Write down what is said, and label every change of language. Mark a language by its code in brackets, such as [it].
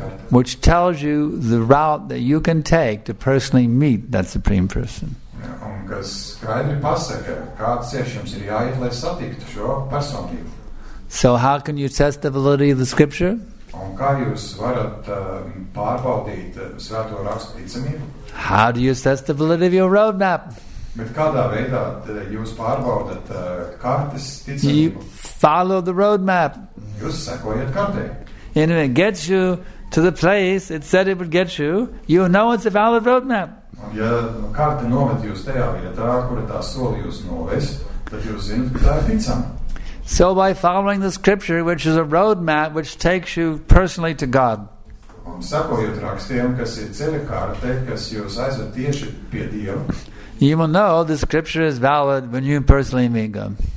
[en] Which tells you the route that you can take to personally meet that Supreme Person. [lv] Un kas skaidri pasaka, kāds ceļš jums ir jāiet, lai satiktu šo personību. [en] So how can you test the validity of the scripture? [lv] Un kā jūs varat pārbaudīt svēto rakstu ticamību? [en] How do you test the validity of your roadmap? [lv] Bet kādā veidā jūs pārbaudat kartes ticamību? [en] You follow the roadmap. [lv] Jūs sekojat kartē. [en] And if it gets you to the place it said it would get you, you know it's a valid roadmap. [lv] Un ja karte noved jūs tajā vietā, kura tā soli jūs novest, tad jūs zinat, ka tā ir ticama. [en] So by following the scripture, which is a roadmap, which takes you personally to God. [lv] un sakojot rakstiem, kas ir ceļa karte, kas jūs aizved tieši pie Dieva. [en] You will know the scripture is valid when you personally meet God.